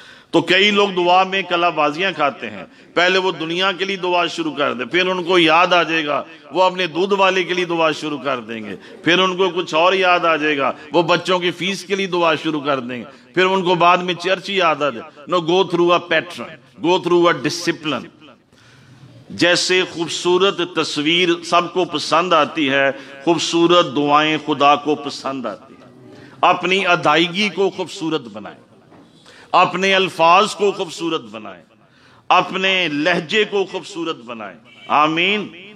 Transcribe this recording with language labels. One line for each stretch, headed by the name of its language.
Urdu: تو کئی لوگ دعا میں کلا بازیاں کھاتے ہیں، پہلے وہ دنیا کے لیے دعا شروع کر دیں، پھر ان کو یاد آ جائے گا وہ اپنے دودھ والے کے لیے دعا شروع کر دیں گے، پھر ان کو کچھ اور یاد آ جائے گا وہ بچوں کی فیس کے لیے دعا شروع کر دیں گے، پھر ان کو بعد میں چرچ ہی یاد آ جائے.
English: No, go through a pattern, go through a discipline.
Urdu: جیسے خوبصورت تصویر سب کو پسند آتی ہے، خوبصورت دعائیں خدا کو پسند آتی ہیں. اپنی ادائیگی کو خوبصورت بنائیں، اپنے الفاظ کو خوبصورت بنائیں، اپنے لہجے کو خوبصورت بنائیں. آمین.